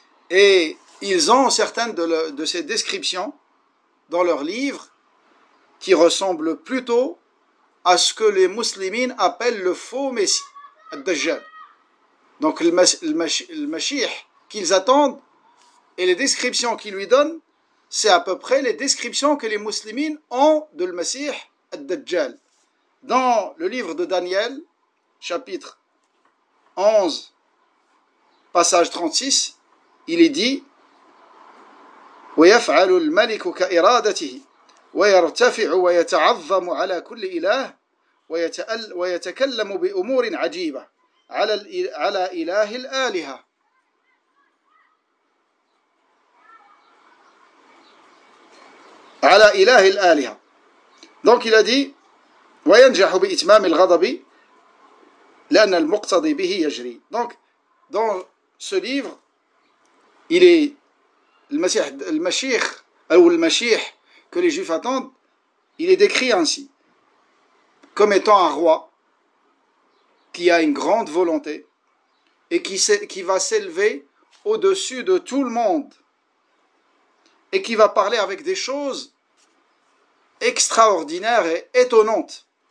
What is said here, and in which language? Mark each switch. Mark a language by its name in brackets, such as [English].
[French] Et ils ont certaines de ces descriptions dans leurs livres qui ressemblent plutôt à ce que les musulmans appellent le faux Messie, Ad-Dajjal. Donc le Mashih qu'ils attendent et les descriptions qu'ils lui donnent, c'est à peu près les descriptions que les musulmans ont de le Messie, Ad-Dajjal. Dans le livre de Daniel, chapitre 11, passage 36, il est dit [Arabic] ويفعل الملك كإرادته ويرتفع ويتعظم على كل إله ويتكلم بأمور عجيبة على إله الآلهة. على إله الآلهة. [French] Donc il a dit [Arabic] وينجح بإتمام الغضب لأن المقتضي به يجري. [French] Donc dans ce livre il est le Mashih que les Juifs attendent, il est décrit ainsi, comme étant un roi qui a une grande volonté et qui va s'élever au-dessus de tout le monde et qui va parler avec des choses extraordinaires et étonnantes